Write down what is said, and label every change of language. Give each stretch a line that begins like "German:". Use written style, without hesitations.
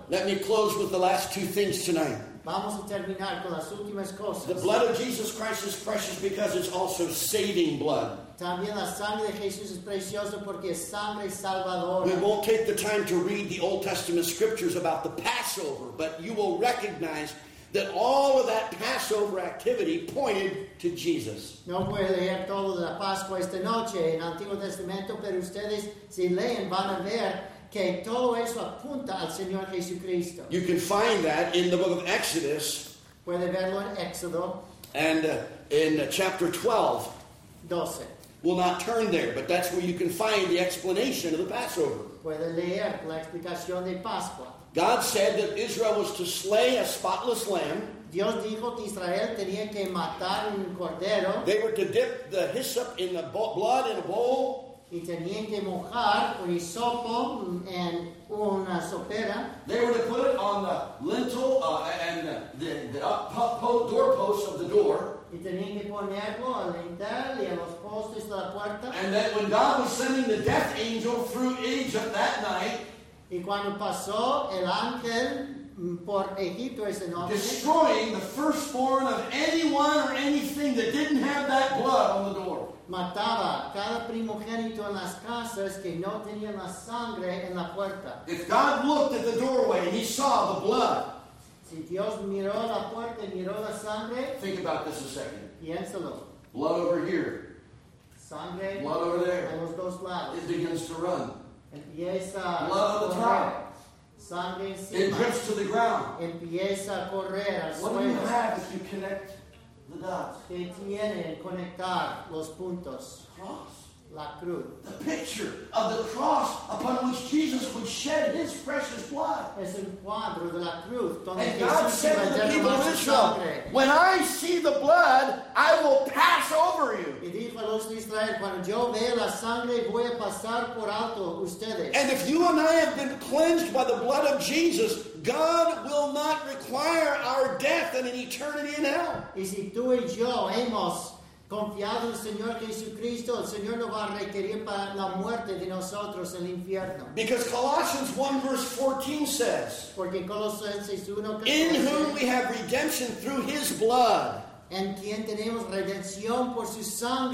English: Let me close with the last two things tonight.
Spanish: Vamos a terminar con las últimas cosas.
English: The blood of Jesus Christ is precious because it's also saving blood.
Spanish: También la sangre de Jesús es preciosa porque es sangre salvadora.
English: We won't take the time to read the Old Testament scriptures about the Passover, but you will recognize that all of that Passover activity pointed to Jesus.
Spanish: No puede leer todo de la Pascua esta noche en el Antiguo Testamento, pero ustedes si leen van a ver que todo eso apunta al Señor Jesucristo.
English: You can find that in the book of Exodus.
Spanish: Puede verlo en Éxodo.
English: And in chapter 12.
Spanish: 12.
English: We'll not turn there, but that's where you can find the explanation of the Passover.
Spanish: Puede leer la explicación de Pascua.
English: God said that Israel was to slay a spotless lamb.
Spanish: Dios dijo que Israel tenía que matar un cordero.
English: They were to dip the hyssop in the blood in a bowl.
Spanish: Y tenían que mojar un hisopo en una sopera.
English: They were to put it on the lintel and the doorpost of the door.
Spanish: Y tenían que ponerlo al lintel y a los postes de la puerta.
English: And that when God was sending the death angel through Egypt that night,
Spanish: y cuando pasó el ángel por Egipto ese noche,
English: destroying the firstborn of anyone or anything that didn't have that blood on the door.
Spanish: Mataba cada primogénito en las casas que no tenían la sangre en la puerta.
English: If God looked at the doorway and he saw the blood,
Spanish: si Dios miró la puerta y miró la sangre,
English: think about this a second.
Spanish: Piénsalo.
English: Blood over here.
Spanish: Sangre.
English: Blood over there.
Spanish: En los dos lados.
English: It begins to run.
Spanish: Empieza
English: blood on the top.
Spanish: Sangre encima.
English: It drips to the ground.
Spanish: Empieza a correr.
English: What do you have if you connect the dots?
Spanish: ¿Qué tiene conectar los puntos?
English: Cross.
Spanish: La cruz.
English: The picture of the cross upon which Jesus would shed his precious blood.
Spanish: Es un cuadro de la cruz donde
English: and God said to the people of Israel, when I see the blood, I will pass over you.
Spanish: Y dijo a los de Israel, cuando yo vea la sangre, voy a pasar por alto ustedes.
English: And if you and I have been cleansed by the blood of Jesus, God will not require our death and an eternity in hell.
Spanish: Y si tú y yo hemos confiado en el Señor Jesucristo, el Señor no va a requerir para la muerte de nosotros el infierno.
English: Because Colossians 1 verse 14 says,
Spanish: porque Colosenses 1, 14,
English: in whom we have redemption through his blood,
Spanish: en quien tenemos redención por su sangre,